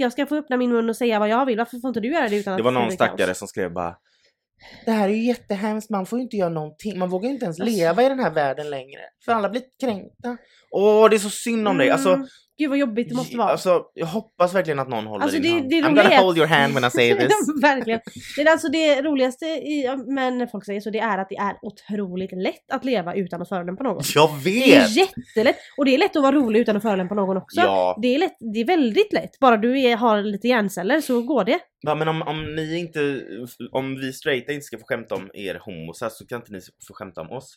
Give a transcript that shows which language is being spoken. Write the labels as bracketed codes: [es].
[sv] Jag ska få öppna min mun och säga vad jag vill. Varför får inte du göra det utan det att... Det var någon stackare som skrev bara... Det här är ju jättehemskt. Man får ju inte göra någonting. Man vågar ju inte ens leva i den här världen längre. För alla blir kränkta. Åh, det är så synd om dig. Alltså... Gud vad jobbigt det måste vara. Alltså, jag hoppas verkligen att någon håller alltså, din hand. [en] I'm gonna hold your hand when I say this. [sv] Verkligen. Det är alltså det roligaste i, men när folk säger så, det är att det är otroligt lätt att leva utan att förolämpa någon. Jag vet! Det är jättelätt. Och det är lätt att vara rolig utan att förolämpa någon också. Ja. Det är lätt, det är väldigt lätt. Bara du har lite hjärnceller så går det. Ja, men om vi straighta inte ska få skämta om er homosar, så kan inte ni få skämta om oss.